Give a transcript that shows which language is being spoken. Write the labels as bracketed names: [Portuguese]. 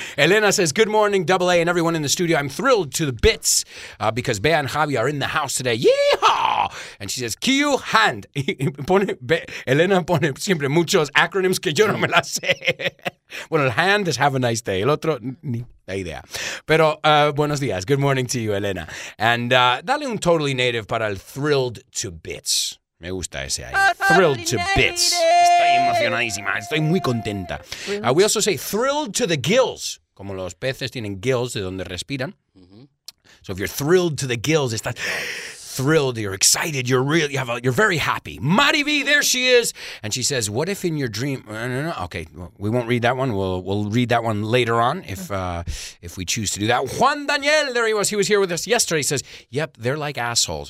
[English] Elena says, good morning, AA, and everyone in the studio. I'm thrilled to the bits because Bea and Javi are in the house today. Yeehaw! And she says, Q hand. [Spanish] Elena pone siempre muchos acronyms que yo no me las sé. Bueno, el [English] hand is have a nice day. [Spanish] El otro, ni la idea. Pero buenos días. [English] Good morning to you, Elena. And dale un totally native para el thrilled to bits. [Spanish] Me gusta ese ahí. [English] Thrilled to bits. [Spanish] Estoy emocionadísima. Estoy muy contenta. [English] We also say thrilled to the gills. [Spanish] Como los peces tienen gills de donde respiran. [English] So if you're thrilled to the gills, estás thrilled, you're excited, you're real, you have a, you're very happy. Mari V, there she is. And she says, what if in your dream... No. Okay, well, we won't read that one. We'll read that one later on if we choose to do that. Juan Daniel, there he was. He was here with us yesterday. He says, yep, they're like assholes.